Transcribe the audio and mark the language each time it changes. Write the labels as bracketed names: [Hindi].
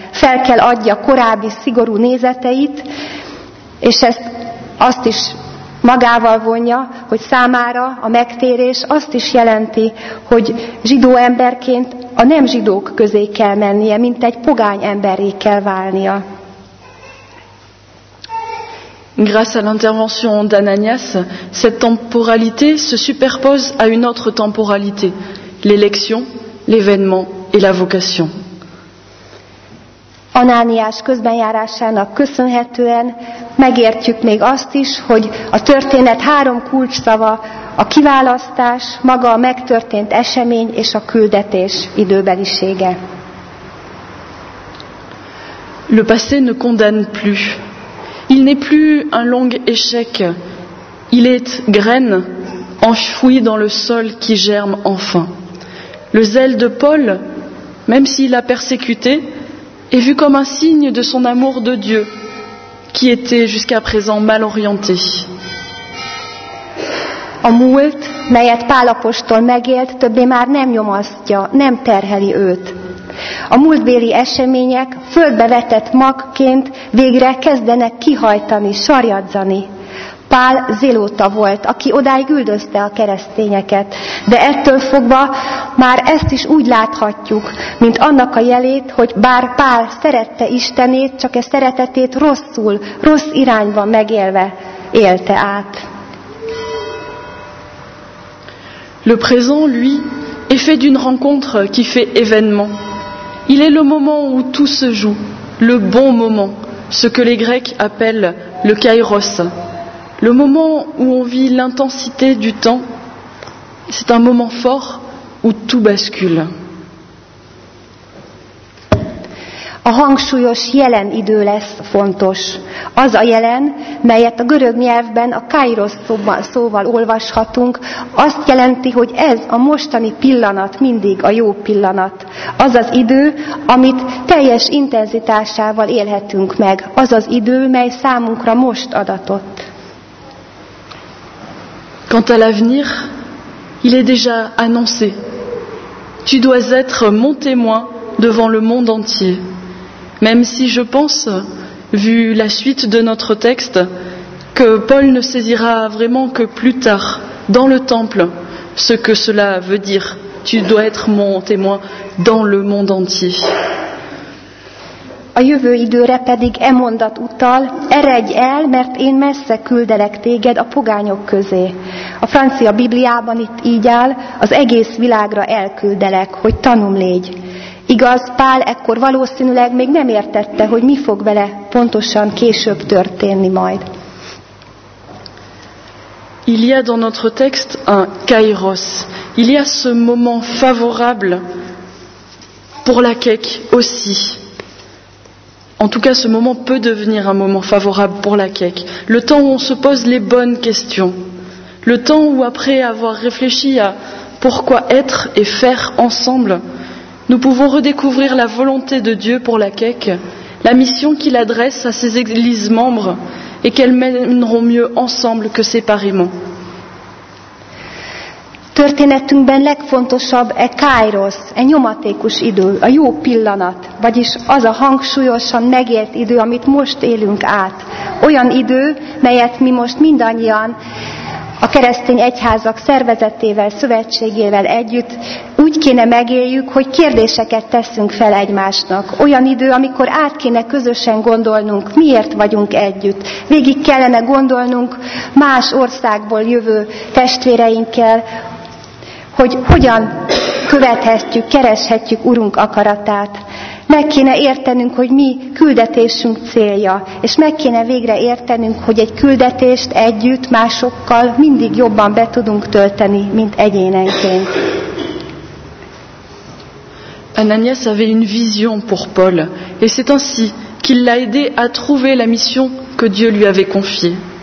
[Hungarian] Fel kell adja korábbi szigorú nézeteit, és ezt azt is magával vonja, hogy számára a megtérés azt is jelenti, hogy zsidó emberként a nem zsidók közé kell mennie, mint egy pogány emberré kell válnia. [French] Grâce à l'intervention d'Ananias, cette temporalité se superpose à une autre temporalité, l'élection, l'événement et la vocation. [Hungarian] Anániás közbenjárásának köszönhetően megértjük még azt is, hogy a történet három kulcsszava a kiválasztás, maga a megtörtént esemény és a küldetés időbelisége. [French] Le passé ne condamne plus. Il n'est plus un long échec. Il est graine enfouie dans le sol qui germe enfin. Le zèle de Paul, même s'il a persécuté, est vu comme un signe de son amour de Dieu, qui était jusqu'à présent mal orienté. [Hungarian] A múlt, melyet Pál apostol megélt, többé már nem nyomasztja, nem terheli őt. A múltbéli események földbe vetett magként végre kezdenek kihajtani, sarjadzani. Pál zélóta volt, aki odáig üldözte a keresztényeket, de ettől fogva már ezt is úgy láthatjuk, mint annak a jelét, hogy bár Pál szerette Istenét, csak e szeretetét rosszul, rossz irányba megélve élte át. [French] Le présent, lui, est fait d'une rencontre qui fait événement. Il est le moment où tout se joue, le bon moment, ce que les Grecs appellent le kairos. Le moment où on vit l'intensité du temps, c'est un moment fort où tout bascule. [Hungarian] A hangsúlyos jelen idő lesz fontos. Az a jelen, melyet a görög nyelvben a kairos szóval olvashatunk, azt jelenti, hogy ez a mostani pillanat mindig a jó pillanat. Az az idő, amit teljes intenzitásával élhetünk meg. Az az idő, mely számunkra most adatott. [French] Quant à l'avenir, il est déjà annoncé. Tu dois être mon témoin devant le monde entier. Même si je pense, vu la suite de notre texte, que Paul ne saisira vraiment que plus tard, dans le temple, ce que cela veut dire. Tu dois être mon témoin dans le monde entier. [Hungarian] A jövő időre pedig e mondat utal, eredj el, mert én messze küldelek téged a pogányok közé. A francia Bibliában itt így áll, az egész világra elküldelek, hogy tanúm légy. Igaz, Pál ekkor valószínűleg még nem értette, hogy mi fog vele pontosan később történni majd. [French] Il y a dans notre texte un kairos. Il y a ce moment favorable pour la Kek aussi. En tout cas, ce moment peut devenir un moment favorable pour la Kek. Le temps où on se pose les bonnes questions. Le temps où, après avoir réfléchi à pourquoi être et faire ensemble, nous pouvons redécouvrir la volonté de Dieu pour la Kek, la mission qu'il adresse à ses églises membres et qu'elles mèneront mieux ensemble que séparément. [Hungarian] Történetünkben legfontosabb e kairos, e nyomatékos idő, a jó pillanat, vagyis az a hangsúlyosan megélt idő, amit most élünk át. Olyan idő, melyet mi most mindannyian a keresztény egyházak szervezetével, szövetségével együtt úgy kéne megéljük, hogy kérdéseket teszünk fel egymásnak. Olyan idő, amikor át kéne közösen gondolnunk, miért vagyunk együtt. Végig kellene gondolnunk más országból jövő testvéreinkkel, hogy hogyan követhetjük, kereshetjük Urunk akaratát. Meg kéne értenünk, hogy mi küldetésünk célja, és meg kéne végre értenünk, hogy egy küldetést együtt másokkal mindig jobban be tudunk tölteni, mint egyénenként. [French] Ananias avait une vision pour Paul, et c'est ainsi qu'il l'a aidé à trouver la mission que Dieu lui avait confiée.